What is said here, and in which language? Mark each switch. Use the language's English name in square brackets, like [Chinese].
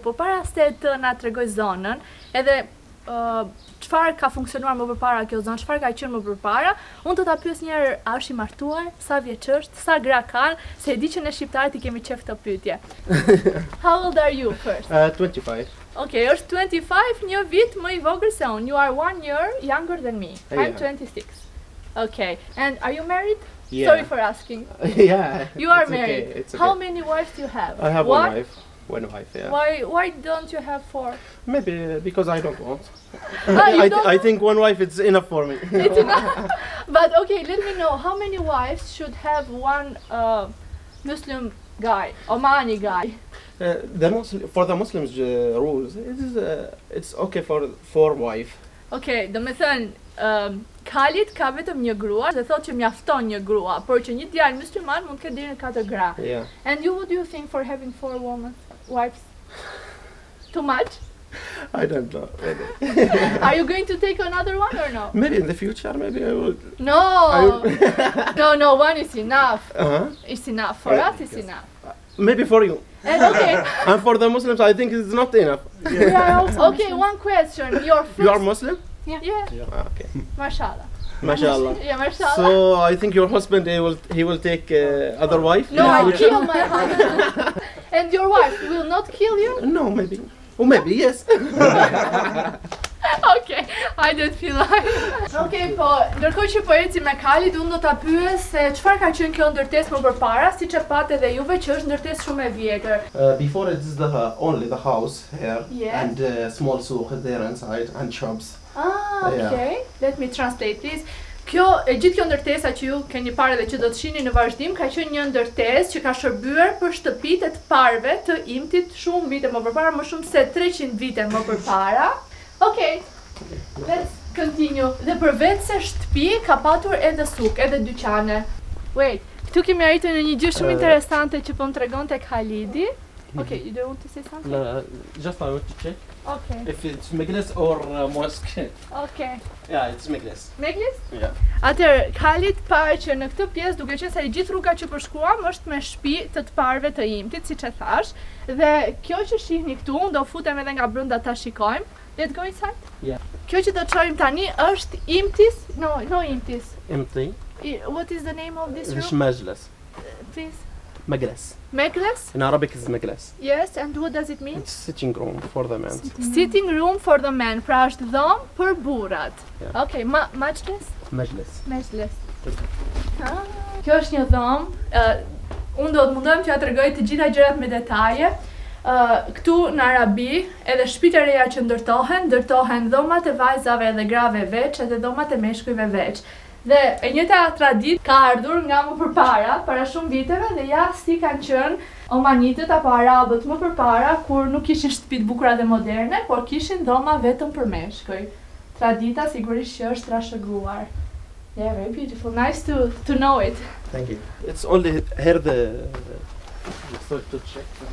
[Albanian] Por para se të na tregoj zonën, edhe çfarë ka funksionuar më përpara kjo zonë, çfarë ka qenë më përpara, unë do ta pyes një herë, a është i martuar, sa vjeç është, sa gra ka, se e di që ne shqiptarët i kemi qef këtë pyetje. [English] How old are you first? 25. [Albanian] Ok, është 25, një vit më i vogël se unë. [English] You are one year younger than me. I'm 26. Okay, and are you married? Yeah. Sorry for asking. Yeah. You are married. Okay, it's okay. How many wives do you have? I have one wife. One wife, yeah. Why don't you have four? Maybe because I don't want. I think one wife is enough for me. It's enough. But okay, let me know, how many wives should have one Muslim guy, Omani guy? For the Muslims rules, it's okay for four wives. [Albanian] Okay, domethënë Khalid ka vetëm një grua dhe thot që mjafton një grua, por që një djalë musliman mund të ketë deri në 4 gra. [English] Yeah. And you, what do you think for having four women wives? Too much? I don't know. Really. Are you going to take another one or no? Maybe in the future, maybe I would. No. No, one is enough. Uh-huh. It's enough for us, it's enough. Maybe for you. And okay. And for the Muslims, I think it's not enough. Yeah. We are also okay, Muslims. One question. You are Muslim? Yeah. Ah, okay. Mashallah. Mashallah. Yeah, mashallah. So I think your husband he will take other wife. No, I kill my husband. And your wife will not kill you? No, maybe. Oh, maybe yes. Okay, I don't feel like. [Albanian] Okay, po, ndërkohë që po ecim me Khalid, unë do ta pyes se çfarë ka qenë kjo ndërtesë më përpara, siç e patë edhe juve që është ndërtesë shumë e vjetër. [English] Before it is only the house here, yes. And small souk there inside and shops. Ah, okay. Yeah. Let me translate this. [Albanian] Kjo e gjithë kjo ndërtesa që ju keni parë dhe që do të shihni në vazhdim ka qenë një ndërtesë që ka shërbyer për shtëpitë të parëve të Imtit shumë vite më përpara, më shumë se 300 vite më përpara. Okay. [English] Let's continue. [Albanian] Dhe përveç se shtëpi ka patur edhe suk, edhe dyqane. Wait, këtu kemi arritur në një gjë shumë interesante që po më tregon tek Khalidi. [English] Okay, you don't want to say something? No, just I want to check. Okay. If it's Meglis or Mosque. Okay. Yeah, it's Meglis. Meglis? Yeah. [Albanian] Atër, Khalid pare që në këtë pjesë, duke qenë se i gjithë rruga që përshkuam, është me shtëpi të të parëve të Imtit, si që thash. Dhe kjo që shihni këtu, unë do futem edhe nga brënda ta shikojmë. [English] Let's go inside? Yeah. [Albanian] Kjo që do të shojmë tani është Imtis, no Imtis. Imti. [English] What is the name of this room? Meglis. Please. Meglis. Meglis? In Arabic is Meglis. Yes, and what does it mean? It's sitting room for the men. Sitting room for the men, [Albanian] pra është dhomë për burrat. [English] Yeah. Okay, Meglis? Meglis. Meglis. [Albanian] Kjo është një dhomë, unë do të mundohem që ja të rëgoj të gjitha gjërat me detaje. Këtu në Arabi, edhe shtëpitë reja që ndërtohen dhomat e vajzave edhe grave veç, edhe dhomat e meshkujve veç. Dhe e njëta tradit ka ardhur nga më përpara, para shumë viteve, dhe ja si kanë qënë omanitët apo arabët më përpara, kur nuk kishin shtëpit bukura dhe moderne, por kishin dhoma vetëm për meshkuj. Tradita sigurisht që është trashëguar. [English] Yeah, very beautiful. Nice to know it. Thank you. It's only here the thought to check.